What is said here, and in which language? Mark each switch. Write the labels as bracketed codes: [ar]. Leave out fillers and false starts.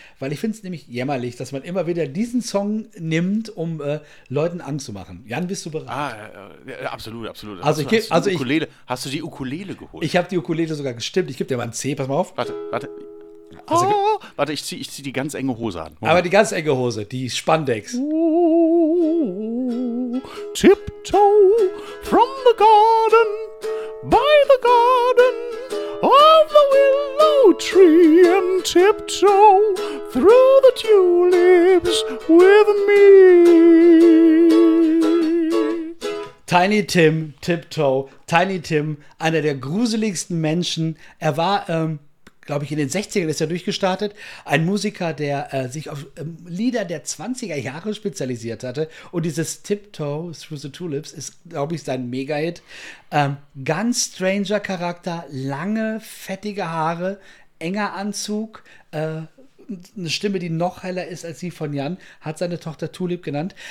[de] Weil ich finde es nämlich jämmerlich, dass man immer wieder diesen Song nimmt, um Leuten Angst zu machen. Jan, bist du bereit? Ah, ja, absolut, absolut. Hast du die Ukulele geholt? Ich habe die Ukulele sogar gestimmt. Ich gebe dir mal ein C, pass mal auf. Warte. Also, oh. Warte, ich zieh die ganz enge Hose an. Moment. Aber die ganz enge Hose, die Spandex. [en] Tiptoe from the garden, by the garden of the willow tree, and tiptoe through the tulips with me. [de] Tiny Tim, Tiptoe, Tiny Tim, einer der gruseligsten Menschen. Er war, glaube ich, in den 60ern ist er durchgestartet. Ein Musiker, der sich auf Lieder der 20er Jahre spezialisiert hatte. Und dieses Tiptoe Through the Tulips ist, glaube ich, sein Mega-Hit. Ganz stranger Charakter, lange, fettige Haare, enger Anzug, eine Stimme, die noch heller ist als die von Jan, hat seine Tochter Tulip genannt.